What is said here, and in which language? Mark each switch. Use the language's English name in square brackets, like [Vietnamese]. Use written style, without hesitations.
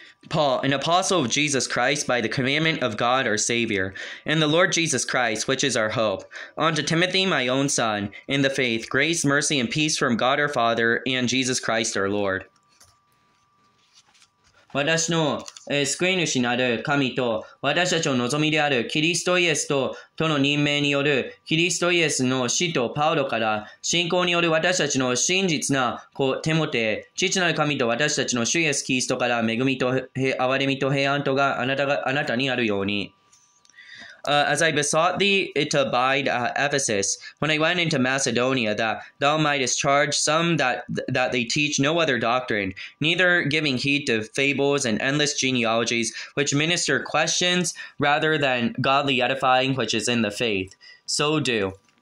[English] Paul, an apostle of Jesus Christ by the commandment of God our Savior, and the Lord Jesus Christ, which is our hope, unto Timothy, my own son, in the faith, grace, mercy, and peace from God our Father and Jesus Christ our Lord. [Japanese] 私の、救い主なる神と、私たちの望みであるキリストイエスとの任命による、キリストイエスの使徒パウロから、信仰による私たちの真実な子テモテ、父なる神と私たちの主イエスキリストから、恵みと、憐れみと平安とがあなたにあるように。 [English] As I besought thee to abide at Ephesus, when I went into Macedonia, that thou mightest charge some that they teach no other doctrine, neither giving heed to fables and endless genealogies, which minister questions rather than godly edifying which is in the faith. So do.